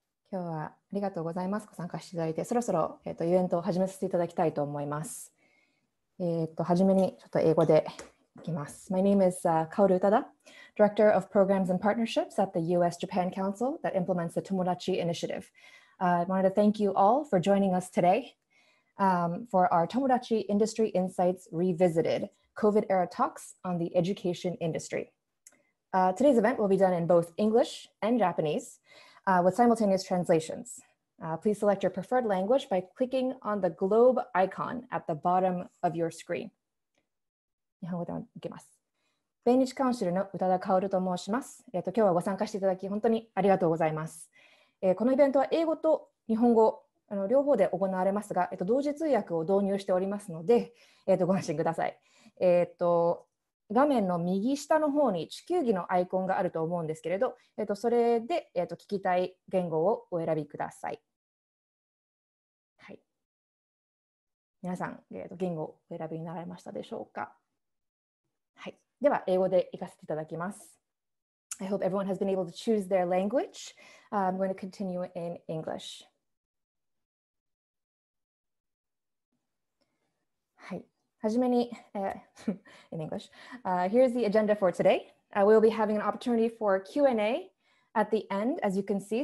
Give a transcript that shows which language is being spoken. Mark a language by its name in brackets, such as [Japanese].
[Japanese] 今日はありがとうございます。ご参加していただいて、そろそろ、イベントを始めさせていただきたいと思います。初めにちょっと英語でいきます。 [English] My name is Kaoru Utada, Director of Programs and Partnerships at the U.S.-Japan Council that implements the TOMODACHI Initiative. I wanted to thank you all for joining us today. For our TOMODACHI Industry Insights Revisited, COVID-era talks on the education industry. Today's event will be done in both English and Japanese with simultaneous translations. Please select your preferred language by clicking on the globe icon at the bottom of your screen. [Japanese] 日本語でも行きます。米日カウンシルの宇多田カオルと申します。今日はご参加していただき本当にありがとうございます。このイベントは英語と日本語両方で行われますが、同時通訳を導入しておりますので、ご安心ください。画面の右下の方に地球儀のアイコンがあると思うんですけれど、それで、聞きたい言語をお選びください。はい、皆さん、言語をお選びになられましたでしょうか。はい、では英語で行かせていただきます。 [English] I hope everyone has been able to choose their language. I'm going to continue in English. in English. Here's the agenda for today. We'll be having an opportunity for Q&A at the end, as you can see.